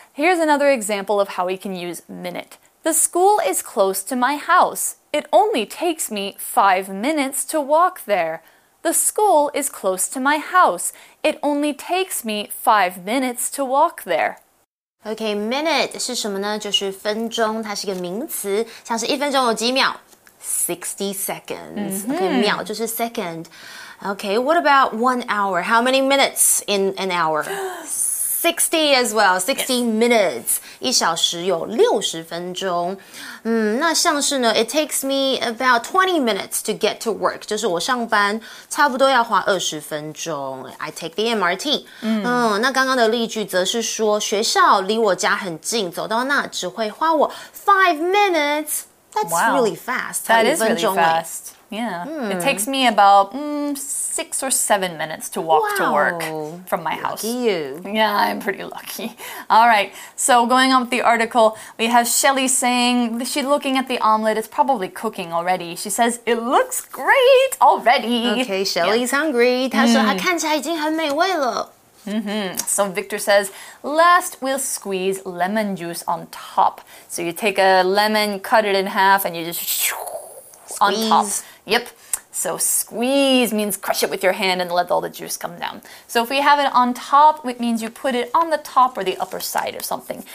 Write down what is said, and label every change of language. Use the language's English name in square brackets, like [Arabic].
[English] Here's another example of how we can use minute. The school is close to my house. It only takes me 5 minutes to walk there. The school is close to my house. It only takes me 5 minutes to walk there. [Chinese] Okay, minute 是什么呢？就是分钟，它是一个名词，像是一分钟有几秒？ [English] 60 seconds. Okay, [Chinese] 秒就是 [English] second. Okay, what about 1 hour? How many minutes in an hour? 60 as well, 60 minutes. [Chinese] 一小时有60分钟。那像是呢 [English] it takes me about 20 minutes to get to work. [Chinese] 就是我上班差不多要花20分钟。 [English] I take the MRT. [Chinese] 那刚刚的例句则是说学校离我家很近走到那只会花我5 minutes. That's [English] wow, really fast. That is really fast. Yeah, it takes me about 6 or 7 minutes to walk to work from my house. Lucky you. Yeah, I'm pretty lucky. All right, so going on with the article, we have Shelley saying she's looking at the omelet. It's probably cooking already. She says, it looks great already. Okay, Shelley's hungry. [Chinese] 她说她看起来已经很美味了。 [English] So Victor says, last we'll squeeze lemon juice on top. So you take a lemon, cut it in half, and you just... Squeeze. On top. Yep. So squeeze means crush it with your hand and let all the juice come down. So if we have it on top, it means you put it on the top or the upper side or something.